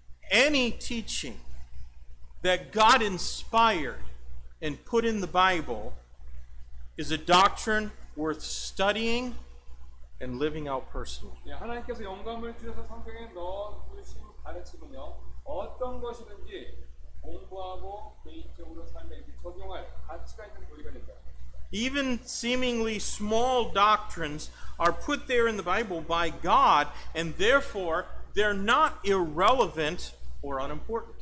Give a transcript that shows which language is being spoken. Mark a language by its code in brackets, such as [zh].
[en] Any teaching that God inspired and put in the Bible is a doctrine worth studying and living out personally. [ko] 예, 하나님께서 영감을 주셔서 성경에 넣으신 가르침은요, 어떤 것이든지 공부하고 개인적으로 삶에 적용할 가치가 있는 교리가 된다. [en] Even seemingly small doctrines are put there in the Bible by God, and therefore they're not irrelevant or unimportant.